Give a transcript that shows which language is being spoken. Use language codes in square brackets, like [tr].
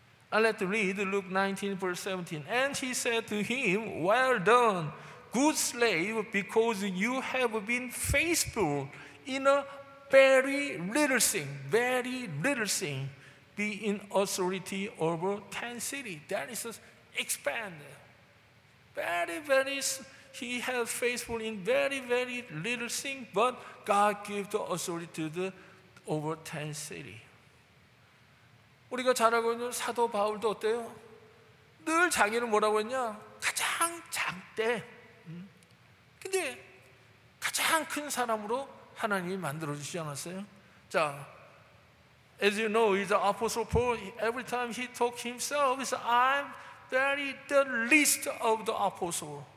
[en] I'll let you read Luke 19, verse 17. And he said to him, well done, good slave, because you have been faithful in a very little thing, be in authority over 10 cities. That is expanded. He has faithful in very, very little thing, but God gave the authority to the over 10 cities. [ko] 우리가 잘 알고 있는 사도 바울도 어때요? 늘 자기는 뭐라고 했냐? 가장 작대. 근데 가장 큰 사람으로 하나님이 만들어주지 않았어요? [en] 자, as you know, he's the apostle Paul. Every time he talked himself, he said, I'm very the least of the apostles.